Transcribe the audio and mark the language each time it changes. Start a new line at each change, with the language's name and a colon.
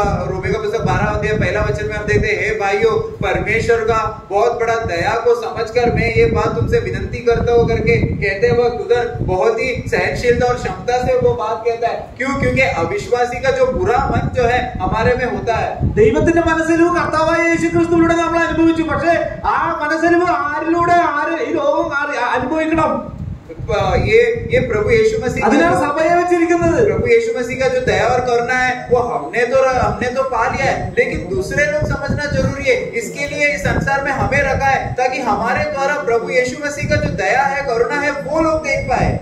Hindi: रोमियों का पुस्तक 12 अध्याय पहला वचन में हम देखते हैं हे भाइयों परमेश्वर का बहुत बड़ा दया को समझकर मैं ये बात तुमसे विनती करता हूँ करके कहते हुए उधर बहुत ही सहनशीलता और क्षमता से वो बात कहता है। क्यों? क्योंकि अविश्वासी का जो बुरा मन जो है हमारे में होता है
Malayalam: ദൈവത്തിന്റെ മനസ്സലിവ് കർത്താവായ യേശുക്രിസ്തുവിലൂടെ നമ്മൾ അനുഭവിച്ചു പക്ഷേ ആ മനസ്സലിവ് ആരിലൂടെ ആര് ഈ ലോകം അനുഭവിക്കണം
Hindi: ये प्रभु यीशु मसीह प्रभु यीशु मसीह का जो दया और करुणा है वो हमने तो पा लिया है लेकिन दूसरे लोग समझना जरूरी है। इसके लिए इस संसार में हमें रखा है ताकि हमारे द्वारा प्रभु यीशु मसीह का जो दया है करुणा है वो लोग देख पाए।